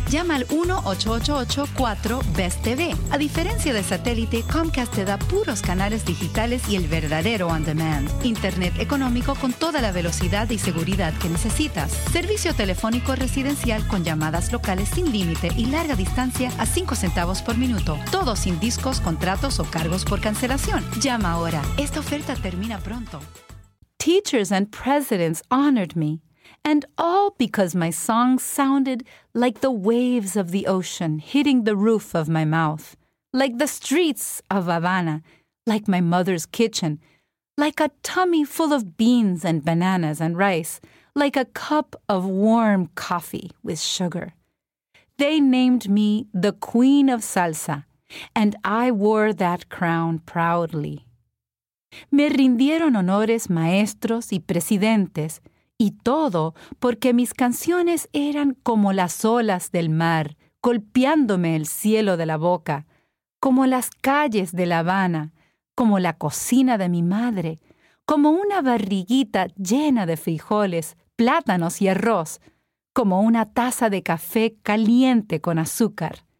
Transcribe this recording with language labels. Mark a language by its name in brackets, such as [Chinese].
[Spanish] Llama al 1-888-4-BEST-TV. A diferencia de satélite, Comcast te da puros canales digitales y el verdadero on-demand. Internet económico con toda la velocidad y seguridad que necesitas. Servicio telefónico residencial con llamadas locales sin límite y larga distancia a 5 centavos por minuto. Todo sin discos, contratos o cargos por cancelación. Llama ahora. Esta oferta termina pronto. [English] Teachers and presidents honored me, and all because my song sounded like the waves of the ocean hitting the roof of my mouth, like the streets of Havana, like my mother's kitchen, like a tummy full of beans and bananas and rice, like a cup of warm coffee with sugar. They named me the Queen of Salsa, and I wore that crown proudly. [Spanish] Me rindieron honores maestros y presidentes, y todo porque mis canciones eran como las olas del mar, golpeándome el cielo de la boca, como las calles de La Habana, como la cocina de mi madre, como una barriguita llena de frijoles, plátanos y arroz, como una taza de café caliente con azúcar.